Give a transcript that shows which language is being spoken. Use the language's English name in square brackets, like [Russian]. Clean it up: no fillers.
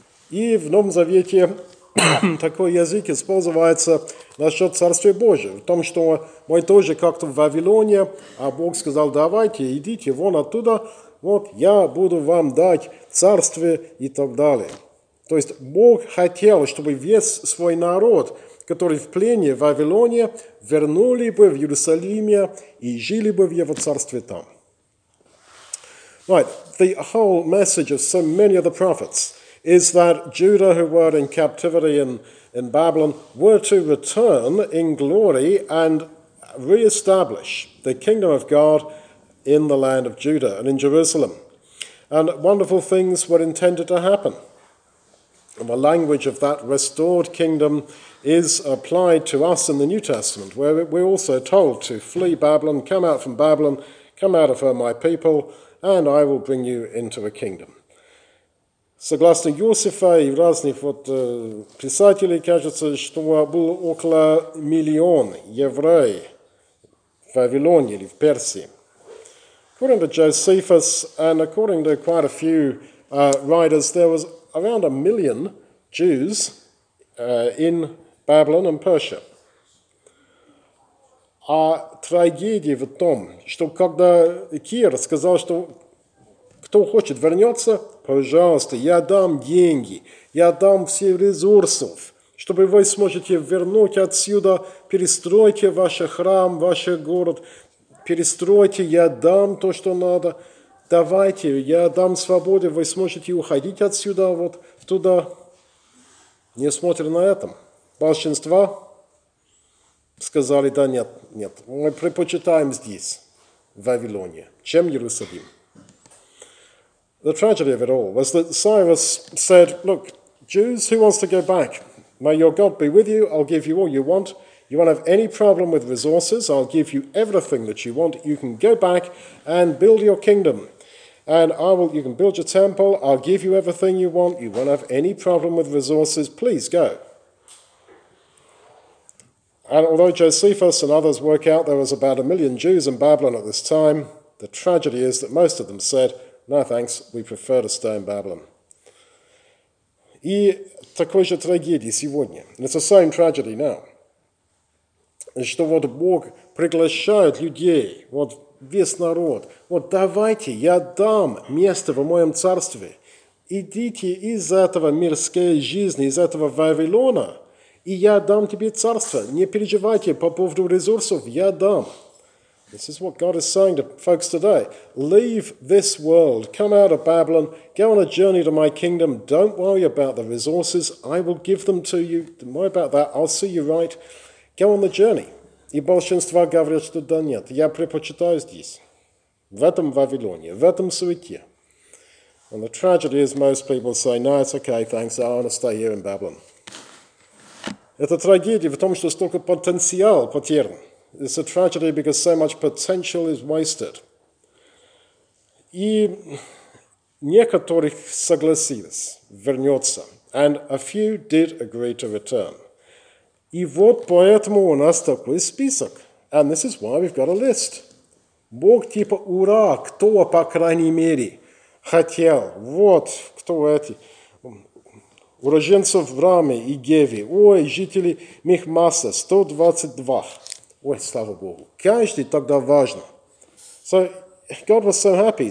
[Russian] И в Новом Завете такой язык используется насчет Царствия Божия, в том, что мы тоже как-то в Вавилоне, а Бог сказал, давайте, идите вон оттуда, вот я буду вам дать царствие и так далее. То есть Бог хотел, чтобы весь свой народ, который в плене в Вавилоне, вернули бы в Иерусалиме и жили бы в его царстве там. [English] Right, the whole message of so many of the prophets is that Judah, who were in captivity in Babylon, were to return in glory and reestablish the kingdom of God in the land of Judah and in Jerusalem. And wonderful things were intended to happen. And the language of that restored kingdom is applied to us in the New Testament, where we're also told to flee Babylon, come out from Babylon, come out of her, my people, and I will bring you into a kingdom. [Russian] Согласно Иосифа и разных вот писателей, кажется, что было около миллион евреев в Вавилоне или в Персии. [English] According to Josephus and according to quite a few writers, there was around a million Jews in Babylon and Persia. [Russian] А трагедия в том, что когда Кир сказал, что кто хочет вернется, пожалуйста, я дам деньги, я дам все ресурсы, чтобы вы сможете вернуть отсюда, перестройте ваш храм, ваш город, перестройте, я дам то, что надо, давайте, я дам свободу, вы сможете уходить отсюда, вот туда. Несмотря на это, большинство сказали, да нет, нет, мы предпочитаем здесь, в Вавилоне, чем Иерусалим. [English] The tragedy of it all was that Cyrus said, look, Jews, who wants to go back? May your God be with you. I'll give you all you want. You won't have any problem with resources. I'll give you everything that you want. You can go back and build your kingdom. And you can build your temple. I'll give you everything you want. You won't have any problem with resources. Please go. And although Josephus and others work out there was about a million Jews in Babylon at this time, the tragedy is that most of them said, no, thanks, we prefer to stay in Babylon. [Russian] И такой же трагедии сегодня. [English] And it's the same tragedy now. [Russian] Что вот Бог приглашает людей, вот весь народ, вот давайте, я дам место в моем царстве. Идите из этого мирской жизни, из этого Вавилона, и я дам тебе царство. Не переживайте по поводу ресурсов, я дам. [English] This is what God is saying to folks today. Leave this world. Come out of Babylon. Go on a journey to my kingdom. Don't worry about the resources. I will give them to you. Don't worry about that. I'll see you right. Go on the journey. [Russian] И большинство говорят, что да нет, я предпочитаю здесь, в этом Вавилоне, в этом суете. [English] And the tragedy is most people say, no, it's okay, thanks. I want to stay here in Babylon. [Russian] Это трагедия в том, что столько потенциал потерян. [English] It's a tragedy because so much potential is wasted. [Russian] И некоторых согласились вернется. [English] And a few did agree to return. [Russian] И вот поэтому у нас такой список. [English] And this is why we've got a list. [Russian] Бог типа, ура, кто, по крайней мере, хотел. Вот, кто эти. Уроженцев в Раме и Геве. Ой, жители Михмаса, 122. Ой, слава Богу. Каждый тогда важно. [English] So, God was so happy.